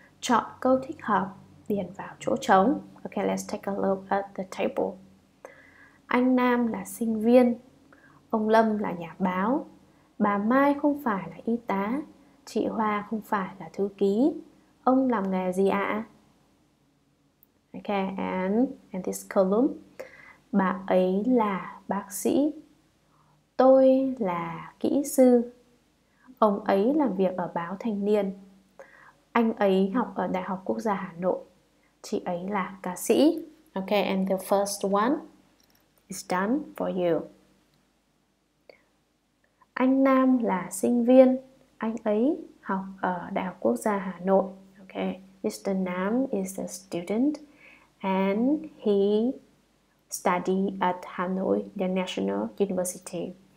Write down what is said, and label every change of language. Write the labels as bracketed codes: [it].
[vi] Chọn câu thích hợp, điền vào chỗ trống. [en] Okay, let's take a look at the table. [vi] Anh Nam là sinh viên. Ông Lâm là nhà báo. Bà Mai không phải là y tá. Chị Hoa không phải là thư ký. Ông làm nghề gì ạ? [en] Okay, and in this column, [vi] bà ấy là bác sĩ. Tôi là kỹ sư. Ông ấy làm việc ở báo Thanh Niên. Anh ấy học ở Đại học Quốc gia Hà Nội. Chị ấy là ca sĩ. [en] Okay, and the first one is done for you. [vi] Anh Nam là sinh viên. Anh ấy học ở Đại học Quốc gia Hà Nội. [en] Okay, Mr. Nam is a student and he study at Hà Nội, the National University.